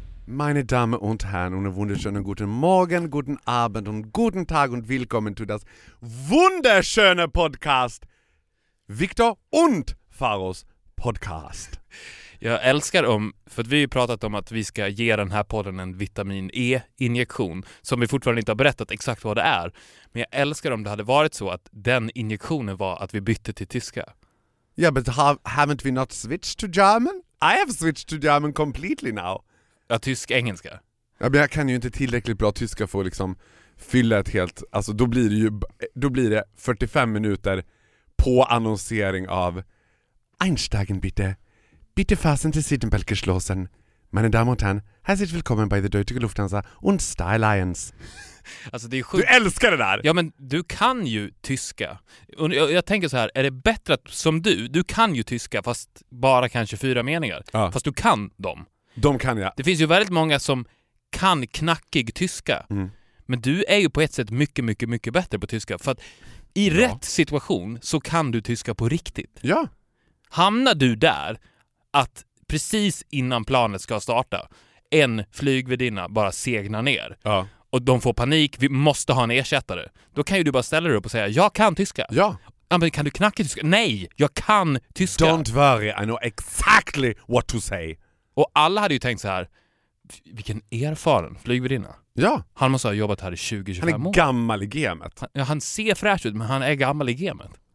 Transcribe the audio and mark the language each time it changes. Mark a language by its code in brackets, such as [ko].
[de] Meine Damen und Herren, einen wunderschönen guten Morgen, guten Abend und guten Tag und willkommen zu das wunderschöne Podcast Victor und Faros Podcast. [sv] Jag älskar om, för att vi har pratat om att vi ska ge den här podden en vitamin E-injektion som vi fortfarande inte har berättat exakt vad det är. Men jag älskar om det hade varit så att den injektionen var att vi bytte till tyska. Ja, [en] yeah, but haven't we not switched to German? I have switched to German completely now. [sv] Ja, tysk-engelska. Ja, men jag kan ju inte tillräckligt bra tyska för att liksom fylla ett helt... Alltså, då blir det 45 minuter på annonsering av [de] Einsteigen bitte. Bitte fassen Sie sich den Belt geschlossen. Meine Damen und Herren, herzlich willkommen bei der Deutsche Lufthansa und Star Alliance. [sv] Alltså, det är du älskar det där! Ja, men du kan ju tyska. Och jag tänker så här, är det bättre att som du kan ju tyska fast bara kanske 4 meningar. Ja. Fast du kan dem. De kan jag. Det finns ju väldigt många som kan knackig tyska. Mm. Men du är ju på ett sätt mycket, mycket, mycket bättre på tyska. För att i rätt situation så kan du tyska på riktigt. Ja. Hamnar du där att precis innan planet ska starta en flygvärdinna bara segnar ner. Ja. Och de får panik, vi måste ha en ersättare. Då kan ju du bara ställa dig upp och säga, jag kan tyska. Ja. Ja, men kan du knacka tyska? Nej, jag kan tyska. [en] Don't worry, I know exactly what to say. [sv] Och alla hade ju tänkt så här, vilken erfaren flygvärdinna. Ja. Han måste ha jobbat här i 20-25 år. Han är år. Gammal i gamet. Han ser fräsch ut, men han är gammal i gamet.